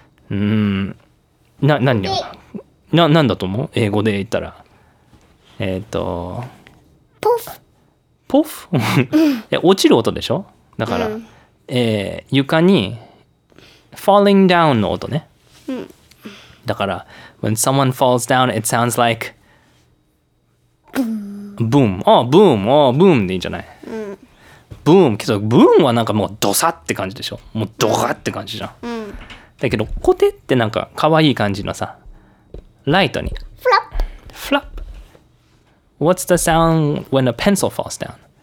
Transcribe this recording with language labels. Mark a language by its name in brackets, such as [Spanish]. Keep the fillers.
[Japanese] うん、な、何な、なんだと思う英語で言ったら。えっ、と、ポフ。ポフ 落ちる音でしょだから、うん、え床に、 [English] falling down [Japanese] の音ね。うん、だから、 [English] when someone falls down, it sounds like boom. あ、oh, boom. [Japanese] あ、 [English] oh, boom [Japanese] でいいんじゃない、うん、boom. けど、boom はなんかもうドサって感じでしょ。もうドガって感じじゃん。うん、だけど、コテってなんか可愛い感じのさ、ライトに。フラップ。フラップ。 [English] What's the sound when a pencil falls down?